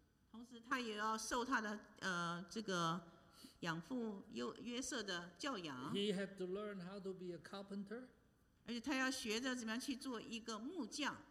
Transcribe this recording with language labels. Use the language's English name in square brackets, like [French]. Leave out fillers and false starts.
[Chinese] 同时，他也要受他的这个养父约瑟的教养。 [English] He had to learn how to be a carpenter. [Chinese] 而且，他要学着怎么样去做一个木匠。